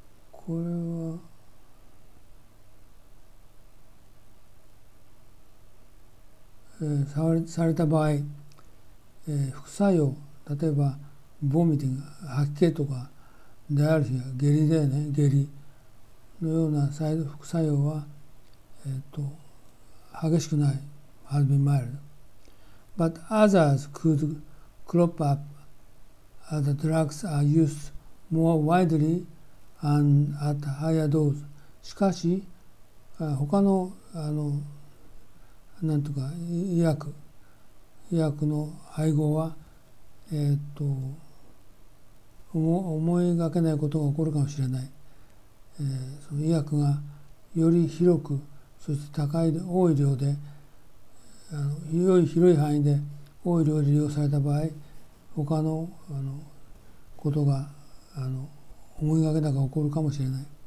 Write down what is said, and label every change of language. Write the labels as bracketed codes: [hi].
[ja] これは された場合、副作用、例えばボミティング、吐き気とかダイアルフィア、下痢だよね、下痢のような副作用は、激しくない、 [en] has been mild. But others could crop up as the drugs are used more widely and at higher dose. [ja] しかし、他の、なんとか医薬の配合は、思いがけないことが起こるかもしれない。その医薬がより広く、そして高い多い量で、広い範囲で多い量で利用された場合、他の、ことが思いがけなく起こるかもしれない。